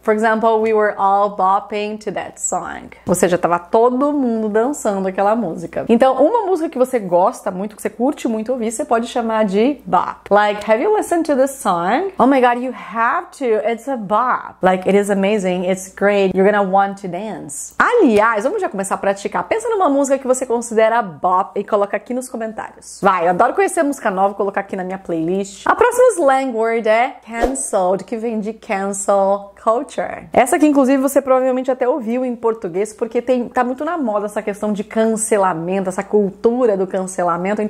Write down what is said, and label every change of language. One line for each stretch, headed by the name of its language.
English: For example, we were all bopping to that song.
Portuguese: Ou seja, tava todo mundo dançando aquela música. Então, uma música que você gosta muito, que você curte muito ouvir, você pode chamar de bop.
English: Like, have you listened to this song? Oh my god, you have to, it's a bop. Like, it is amazing, it's great, you're gonna want to dance.
Portuguese: Aliás, vamos já começar a praticar. Pensa numa música que você considera bop e coloca aqui nos comentários. Vai, eu adoro conhecer música nova, vou colocar aqui na minha playlist. A próxima slang word é canceled, que vem de cancel culture. Essa aqui, inclusive, você provavelmente até ouviu em português, porque tá muito na moda essa questão de cancelamento, essa cultura do cancelamento.